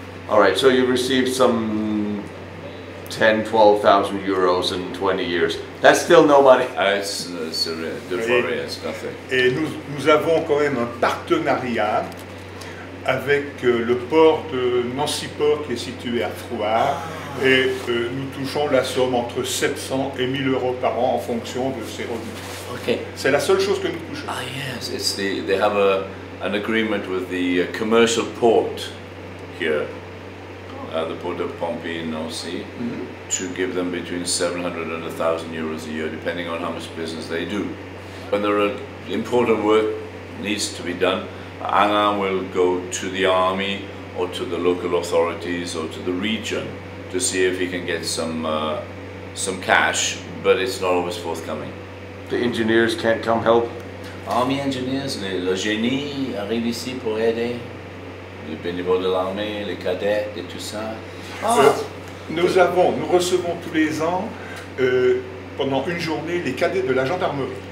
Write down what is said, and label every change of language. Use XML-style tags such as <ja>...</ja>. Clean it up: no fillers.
<en>All right, so you received some 10, 12,000 euros in 20 years. That's still no money. It's a devoir, it's nothing.</en> <fr>Et nous avons quand même un partenariat avec le port de Nancy-Port qui est situé à Frouard. Et nous touchons la somme entre 700 et 1000 euros par an en fonction de ces revenus.</fr> <en>Okay.</en> <fr>C'est la seule chose que nous touchons.</fr> <en>Ah, yes, it's the, they have an agreement with the commercial port here, the port of Pompey in Nancy, mm-hmm. to give them between 700 and 1,000 euros a year, depending on how much business they do. When there are important work needs to be done, Alain will go to the army or to the local authorities or to the region to see if he can get some cash, but it's not always forthcoming. The engineers can't come help? Army engineers,</en> <fr>le génie arrive ici pour aider. Les bénévoles de l'armée, les cadets et tout ça. Nous recevons tous les ans, pendant une journée, les cadets de la gendarmerie.</fr>